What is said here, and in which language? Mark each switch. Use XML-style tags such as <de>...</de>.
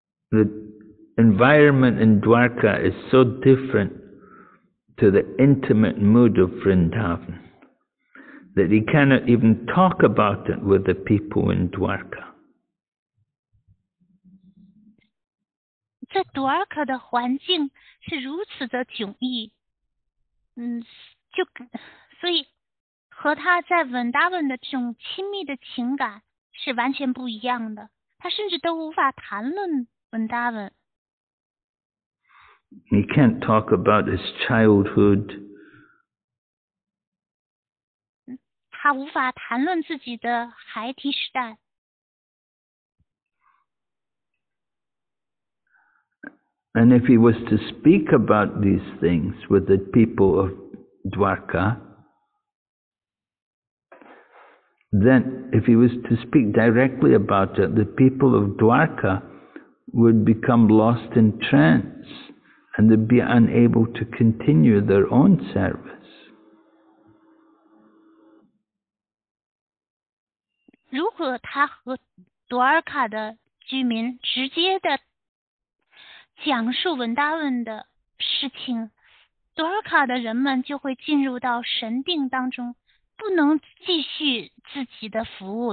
<en>The environment in Dwarka is so different to the intimate mood of Vrindavan that he cannot even talk about it with the people in Dwarka.</en> <zh>在多尔卡的环境是如此的迥异，就所以和他在 Vrindavan 的这种亲密的情感是完全不一样的，他甚至都无法谈论 Vrindavan。</zh> <en>He can't talk about his childhood.</en> <zh>他无法谈论自己的孩提时代。</zh> <en>And if he was to speak about these things with the people of Dwarka, then if he was to speak directly about it, the people of Dwarka would become lost in trance and they'd be unable to continue their own service.</en> <zh>如果他和 Dwarka 的居民直接的讲述文达文的事情，多尔卡的人们就会进入到神定当中，不能继续自己的服务</zh>